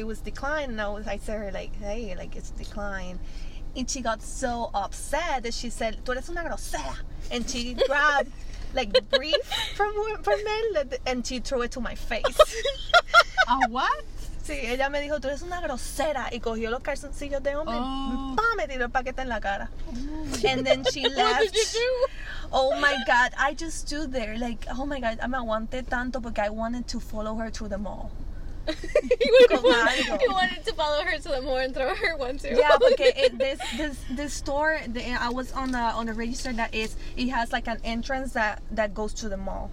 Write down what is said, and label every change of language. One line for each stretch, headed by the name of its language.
English: It was declined, and I said her like, hey, like it's declined. And she got so upset that she said,
Spanish: tú eres una grosera.
English: And she grabbed, like, the brief from men, and she threw it to my face. A what?
Spanish: Sí, ella me dijo, tú eres una grosera. Y cogió los calzoncillos de hombre. Oh. ¡Pam! Me tiró el paquete en la cara.
English: Oh. And then she left. What did you do? Oh, my God. I just stood there, like, oh, my God.
Spanish: Me aguanté tanto porque
English: I wanted to follow her through the mall. You wanted to follow her to the mall and throw her one too. Yeah, okay. This store, I was on the register that is, it has like an entrance that goes to the mall.